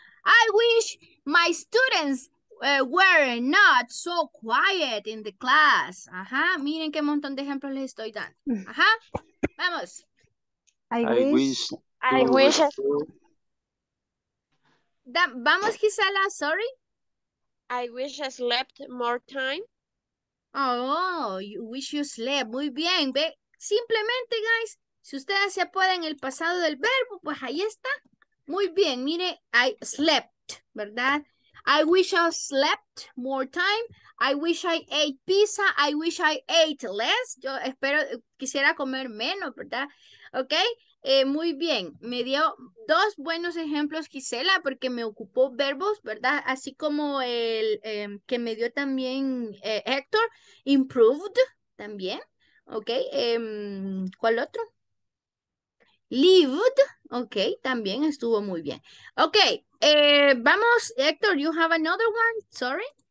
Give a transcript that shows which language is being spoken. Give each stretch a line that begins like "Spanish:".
English: I wish my students were not so quiet in the class. Ajá.
Spanish: Miren qué montón de ejemplos les estoy dando. Ajá. Vamos.
English: I wish.
Spanish: Vamos, Gisela, sorry.
English: I wish I slept more time. Oh, you wish you slept.
Spanish: Muy bien, ve. Simplemente, guys, si ustedes se apoyan el pasado del verbo, pues ahí está. Muy bien, mire,
English: I slept,
Spanish: ¿verdad?
English: I wish I slept more time. I wish I ate pizza. I wish I ate less.
Spanish: Yo espero, quisiera comer menos, ¿verdad? Ok. Muy bien, me dio dos buenos ejemplos, Gisela, porque me ocupó verbos, ¿verdad? Así como el que me dio también Héctor, improved también, ¿ok? ¿Cuál otro? lived. Ok, también estuvo muy bien. Ok, vamos, Héctor,
English: you have another one, sorry.